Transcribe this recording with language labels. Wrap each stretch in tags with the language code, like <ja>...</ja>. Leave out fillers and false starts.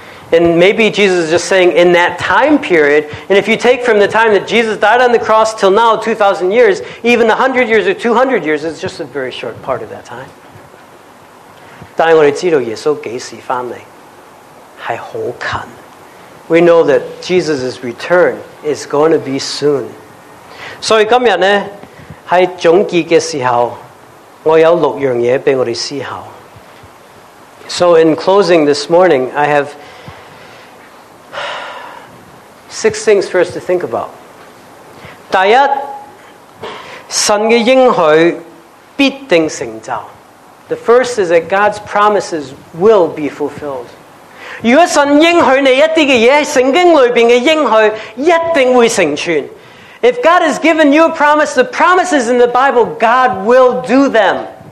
<en>And maybe Jesus is just saying in that time period, and if you take from the time that Jesus died on the cross till now, 2,000 years, even 100 years or 200 years is just a very short part of that time.</en> <zh>但我们知道耶稣何时回来, 是很近。</zh> <en>We know that Jesus' return is going to be soon.</en> <zh>所以今天呢, 在总结的时候, 我有6样东西给我们思考。</zh> <en>So in closing this morning, I have 6 things for us to think about.</en> <zh>第一, 神的应许必定成就。</zh> <en>The first is that God's promises will be fulfilled.</en> <zh>如果神应许你一些东西,圣经里面的应许一定会成全。</zh> <en>If God has given you a promise, the promises in the Bible, God will do them.</en>